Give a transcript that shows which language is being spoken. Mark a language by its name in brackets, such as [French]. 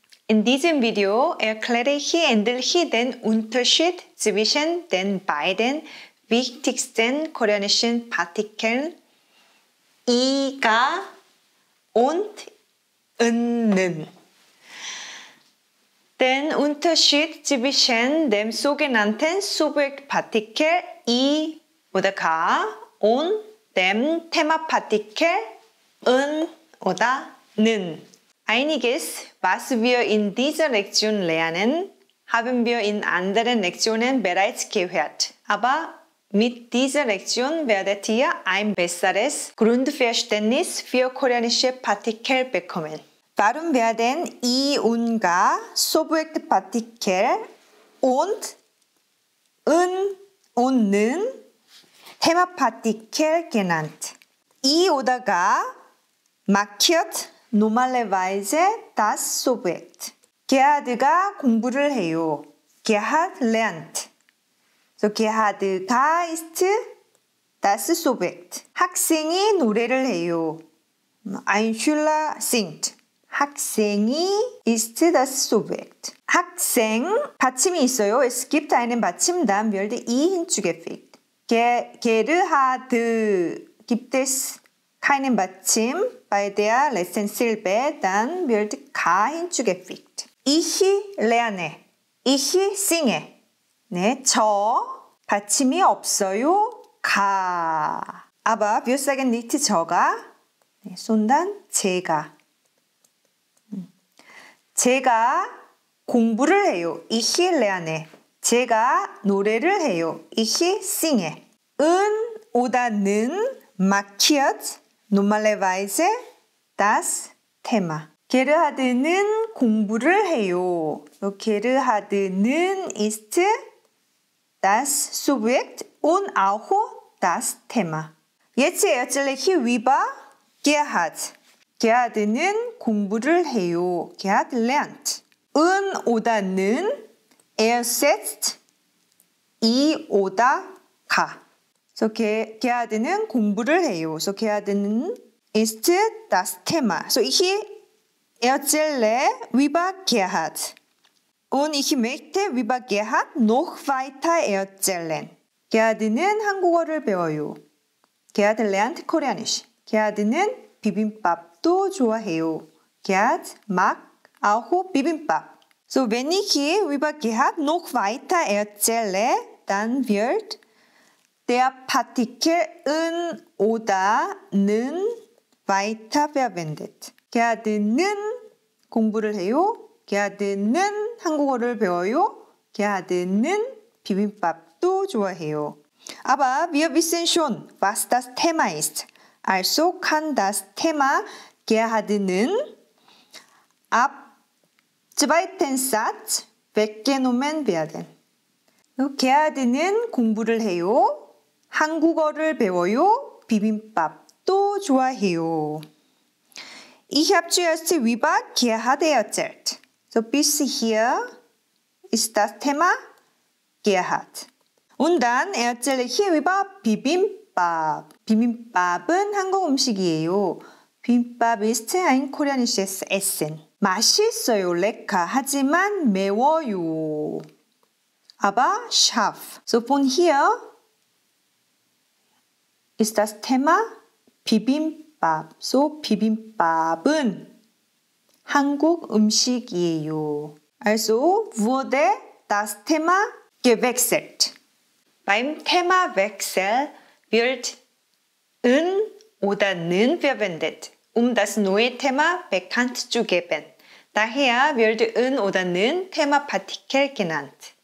[English] In this video, [German] er kläre hi endel hi den Unterschied zwischen den beiden wichtigsten koreanischen Partikeln i가 und n는. Den Unterschied zwischen dem sogenannten Subjektpartikel i oder ga und dem Themapartikel n oder n는. Einiges, was wir in dieser Lektion lernen, haben wir in anderen Lektionen bereits gehört. Aber mit dieser Lektion werdet ihr ein besseres Grundverständnis für koreanische Partikel bekommen. Warum werden I und Ga Subjektpartikel und Un und Nen Themapartikel genannt? I oder Ga markiert normalerweise das Subjekt. [Korean] Gerhard가 공부를 해요. [German] Gerhard lernt. So Gerhard가 ist das Subjekt. [Korean] 학생이 노래를 해요. [German] Ein Schüler singt. 학생이 ist das Subjekt. [Korean] 학생 받침이 있어요. [German] Es gibt einen Badzim, dann wird I hinzugefügt. Gerhard gibt es keinen Badzim. Bei der letzten Silbe, dann wird ga hinzugefügt. Ich lerne. Ich singe. [Korean] 네, 저 받침이 없어요. Ga. [German] Aber wir sagen nicht [Korean] 저가, 네, [German] sondern [Korean] 제가. 제가 공부를 해요. [German] Ich lerne. [Korean] 제가 노래를 해요. [German] Ich singe. 은 oder 는 markiert normalerweise Das Thema. [Korean] Gerhard는 공부를 해요. [German] Gerhard는 ist das Subjekt und auch das Thema. Jetzt erzähle ich über Gerhard. [Korean] Gerhard는 공부를 해요. [German] Gerhard lernt. Un oder 는 ersetzt I oder Ga. [Korean] So Gerhard는 공부를 해요. [German] So Gerhard는 ist das Thema. So ich erzähle über Gerhard. Und ich möchte über Gerhard noch weiter erzählen. [Korean] Gerhard는 한국어를 배워요. [German] Gerhard lernt Koreanisch. [Korean] Gerhard는 비빔밥도 좋아해요. [German] Gerhard mag auch Bibimbap. So wenn ich über Gerhard noch weiter erzähle, dann wird der Partikel 은 oder 는 weiter verwendet. [Korean] Gerhard는 공부를 해요. Gerhard는 한국어를 배워요. Gerhard는 비빔밥도 좋아해요. [German] Aber wir wissen schon, was das Thema ist. Also kann das Thema Gerhard는 ab zweiten Satz weggenommen werden. [Korean] Gerhard는 공부를 해요. 한국어를 배워요. 비빔밥. 또 좋아해요. [German] Ich habe zuerst über Gerhard erzählt. So bis hier ist das Thema Gerhard. Und dann erzähle ich über Bibimbap. [Korean] Bibimbap은 한국 음식이에요. [German] Bibimbap ist ein koreanisches Essen. [Korean] 맛있어요, [German] lecker. [Korean] 하지만 매워요. [German] Aber scharf. So von hier ist das Thema Bibimbap. [Korean] So, Bibimbap은 한국 음식이에요. [German] Also wurde das Thema gewechselt. Beim Themawechsel wird 은 oder 는 verwendet, um das neue Thema bekannt zu geben. Daher wird 은 oder 는 Themapartikel genannt.